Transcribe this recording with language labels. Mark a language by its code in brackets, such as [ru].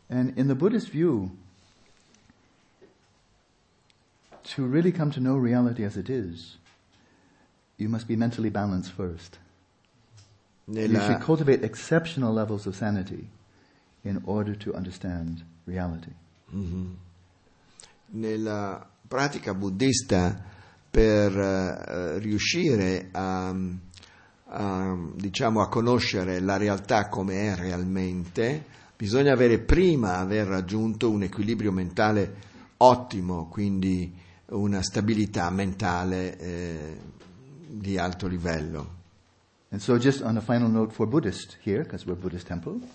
[en] And in the Buddhist view, to really come to know reality as it is, you must be mentally balanced first. You should cultivate exceptional levels of sanity in order to understand reality. Mm-hmm. [it] Nella pratica buddista, per riuscire a conoscere la realtà come è realmente, bisogna avere prima aver raggiunto un equilibrio mentale ottimo, quindi una stabilità mentale di alto livello. [en] And so just on a final note for Buddhists here, because we're Buddhist temple.